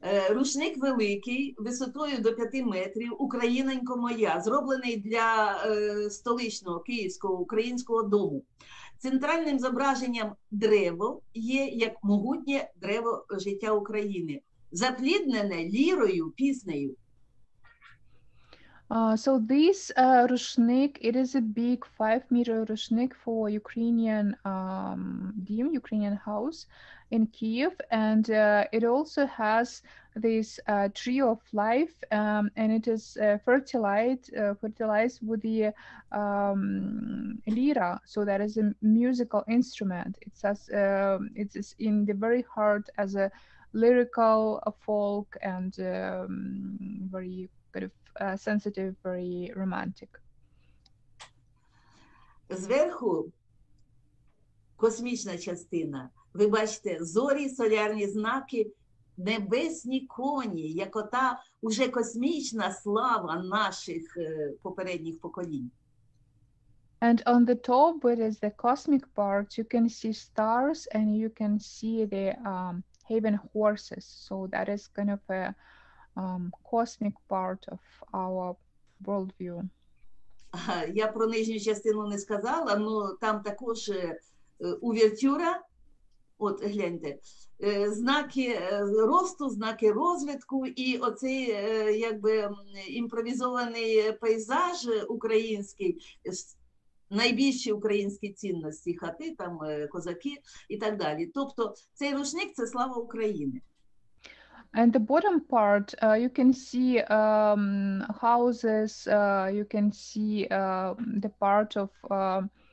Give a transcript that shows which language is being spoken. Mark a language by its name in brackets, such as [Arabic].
[Ukrainian] Рушник великий, висотою до 5 метрів, українонько моя, зроблений для столичного київського українського дому. Центральним зображенням древо є як могутнє древо життя України, запліднене лірою, піснею. [English] So this рушник, it is a big 5-meter рушник for Ukrainian dim, Ukrainian house in Kyiv, and it also has this tree of life, and it is fertilized with the lira, so that is a musical instrument. It is in the very heart as a lyrical folk and very kind of sensitive, very romantic. [Ukrainian] Зверху космічна частина. Ви бачите зорі, солярні знаки, небесні коні, як ота уже космічна слава наших попередніх поколінь. [English] And on the top, which is the cosmic part, you can see stars and you can see the haven horses. So that is kind of a cosmic part of our worldview. [Ukrainian] Я про нижню частину не сказала, але там також увертюра. От, гляньте, знаки росту, знаки розвитку і оцей, якби, імпровізований пейзаж український, найбільші українські цінності, хати, там, козаки і так далі. Тобто, цей рушник – це слава України. [English] And the bottom part, you can see houses, you can see the part of...